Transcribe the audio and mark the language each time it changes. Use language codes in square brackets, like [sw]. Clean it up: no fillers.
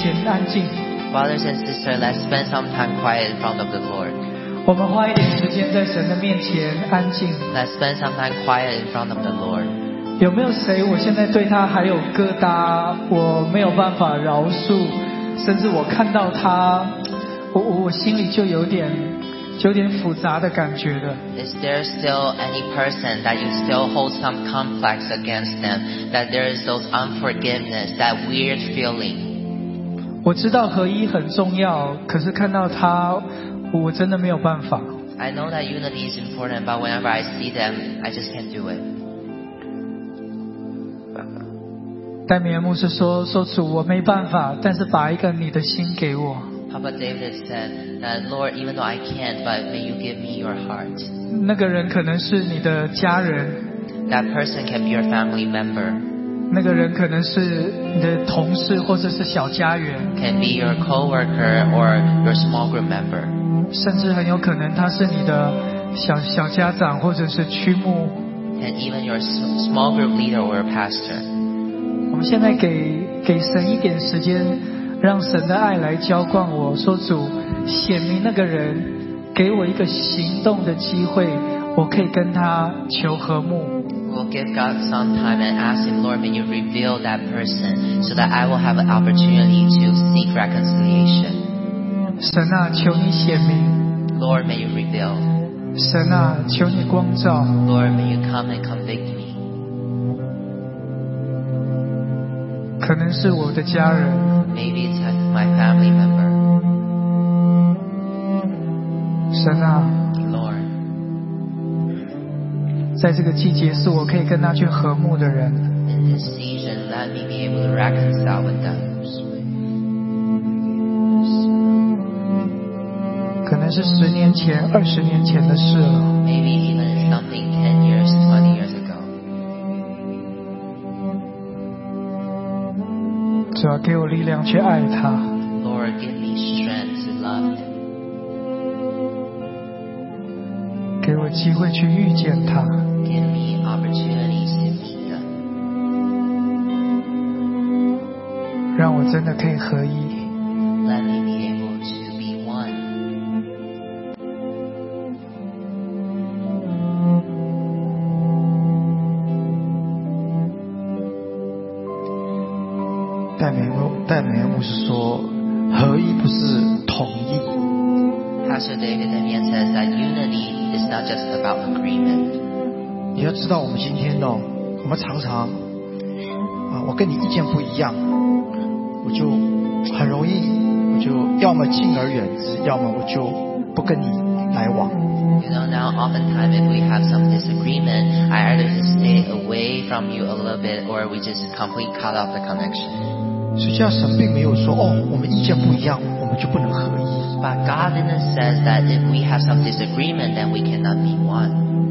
[en] Brothers and sisters, let's spend some time quiet in front of the Lord. [zh] 我们花一点时间在神的面前安静。 [en] Let's spend some time quiet in front of the Lord. [zh] 有没有谁我现在对他还有疙瘩，我没有办法饶恕，甚至我看到他，我心里就有点复杂的感觉的。 [en] Is there still any person that you still hold some complex against them? That there is those unforgiveness, that weird feeling? [zh] 我知道合一很重要，可是看到他，我真的没有办法。 [en] I know that unity is important, but whenever I see them, I just can't do it. [zh] 戴米耶牧师说主，我没办法，但是把一个你的心给我。 [en] Papa David said that, Lord, even though I can't, but may you give me your heart. [zh] 那个人可能是你的家人。 [en] That person can be your family member. [zh] 那个人可能是你的同事或者是小家园。 [en] Can be your coworker or your small group member. [zh] 甚至很有可能他是你的小家长或者是区牧。 [en] And even your small group leader or pastor. [zh] 我们现在给神一点时间。让神的爱来浇灌我，说主，显明那个人，给我一个行动的机会，我可以跟他求和睦。 [en] We'll give God some time and ask Him, Lord, may you reveal that person so that I will have an opportunity to seek reconciliation. [zh] 神啊，求你显明。 [en] Lord, may you reveal. [zh] 神啊，求你光照。 [en] Lord, may you come and convict me. [zh] 可能是我的家人。 [en] Maybe it's my family member. [zh] 神啊 [en] ，Lord， [zh] 在这个季节是我可以跟他去和睦的人。 [en] In this season, let me be able to reconcile with them. [zh] 可能是十年前、二十年前的事了。 [en] Maybe even something 10 years, 20 years ago. [zh] 主啊，给我力量去爱他。 [en] Lord, give me strength to love him. [zh] 给我机会去遇见他。 [en] Give me opportunities to meet him. [zh] 让我真的可以合一。 [en] Let me be able to be one. [zh] 戴美牧师说，合一不是同意。 [en] Pastor David Damian says that unity is not just about agreement. [zh] 你要知道，我们今天呢，我们常常啊，我跟你意见不一样，我就很容易，我就要么敬而远之，要么我就不跟你来往。 [en] You know, now oftentimes if we have some disagreement, I either just stay away from you a little bit, or we just completely cut off the connection. [zh] 实际上，神并没有说哦，我们意见不一样，我们就不能合一。 [en] But God didn't says that if we have some disagreement, then we cannot be one.